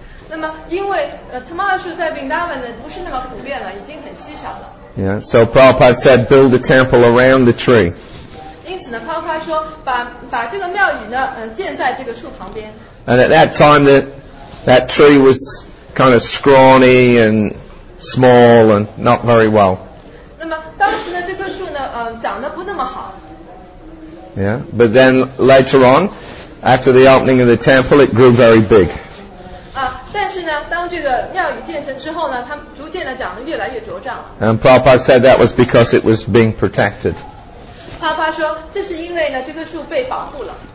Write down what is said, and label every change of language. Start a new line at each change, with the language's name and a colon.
Chinese: 那么因为tamal 树在 Vrindavan 呢不是那么普遍了，已经很稀少了。
English: Yeah, so Prabhupada said, build a temple around the tree.
Chinese: 因此呢，庞派说把这个庙宇呢，建在这个树旁边。
English: And at that time, that tree was kind of scrawny and small and not very well.
Chinese: 那么当时呢，这棵树呢，长得不那么好。
English: Yeah, but then later on, after the opening of the temple, it grew very big.
Chinese: 但是呢，当这个庙宇建成之后呢，它逐渐的长得越来越茁壮。
English: And Prabhupada said that was because it was being protected.
Chinese: Prabhupada 说，这是因为呢，这棵树被保护了。